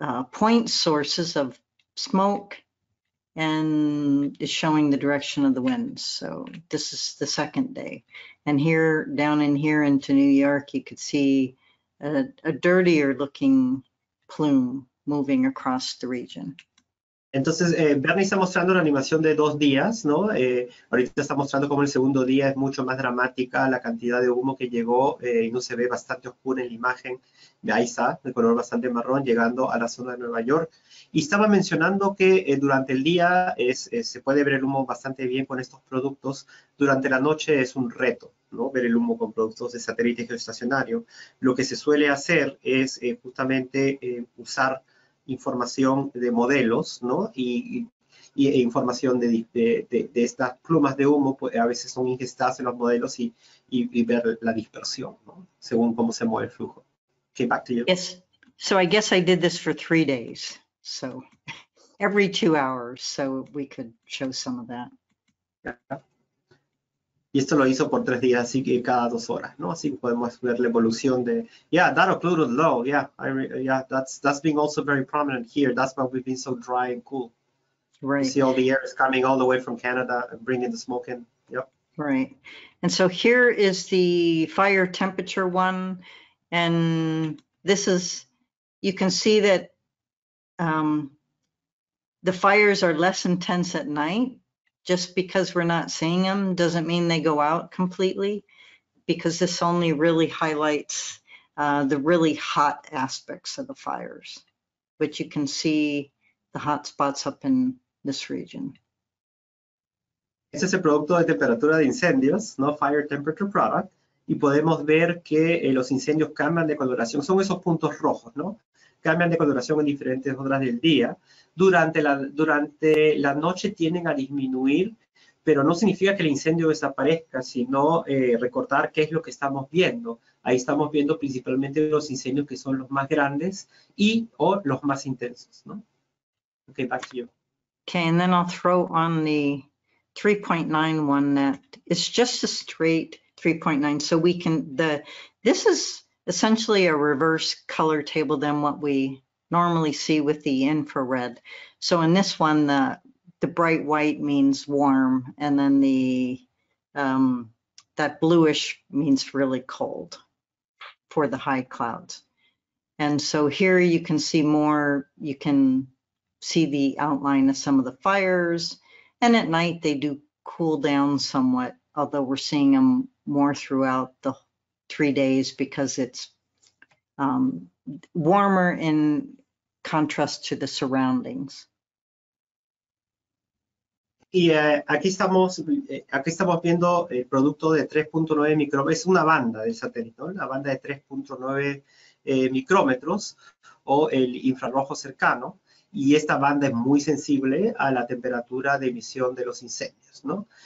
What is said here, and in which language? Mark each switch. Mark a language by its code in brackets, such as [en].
[en] point sources of smoke, and is showing the direction of the winds. So this is the second day. And here, down in here into New York, you could see a dirtier looking plume moving across the region. [es] Entonces, Bernie está mostrando la animación de dos días, ¿no? Ahorita está mostrando cómo el segundo día es mucho más dramática la cantidad de humo que llegó y no se ve bastante oscura en la imagen. De ahí está, de color bastante marrón, llegando a la zona de Nueva York. Y estaba mencionando que durante el día se puede ver el humo bastante bien con estos productos. Durante la noche es un reto, ¿no? Ver el humo con productos de satélite geoestacionario. Lo que se suele hacer es justamente usar información de modelos, ¿no? Y información de estas plumas de humo, pues a veces son ingestadas en los modelos y ver la dispersión, ¿no? Según cómo se mueve el flujo. [en] Okay, back to you. Yes. So I guess I did this for 3 days. So every 2 hours, so we could show some of that. Yeah. [es] Y esto lo hizo por 3 días, así que cada 2 horas, ¿no? Así podemos ver la evolución de... [en] Yeah, that occluded low, yeah, that's being also very prominent here. That's why we've been so dry and cool. Right. You see all the air is coming all the way from Canada and bringing the smoke in, yep. Right. And so here is the fire temperature one. And this is, you can see that the fires are less intense at night. Just because we're not seeing them doesn't mean they go out completely, because this only really highlights the really hot aspects of the fires, but you can see the hot spots up in this region. [es] Este es el producto de temperatura de incendios, no [en] fire temperature product, [es] y podemos ver que los incendios cambian de coloración, son esos puntos rojos, ¿no? Cambian de coloración en diferentes horas del día. Durante la noche tienden a disminuir, pero no significa que el incendio desaparezca, sino recordar qué es lo que estamos viendo. Ahí estamos viendo principalmente los incendios que son los más grandes y o los más intensos, ¿no? [en] Okay, back to you. Okay, and then I'll throw on the 3.91 net. It's just a straight 3.9, so we can, this is essentially a reverse color table than what we normally see with the infrared. So in this one, the bright white means warm, and then the that bluish means really cold for the high clouds. And so here you can see more, you can see the outline of some of the fires, and at night they do cool down somewhat, although we're seeing them more throughout the 3 days because it's warmer in contrast to the surroundings. [es] Y aquí estamos viendo el producto de 3.9 micrómetros, es una banda del satélite, ¿no? La banda de 3.9 micrómetros o el infrarrojo cercano, y esta banda es muy sensible a la temperatura de emisión de los incendios, ¿no?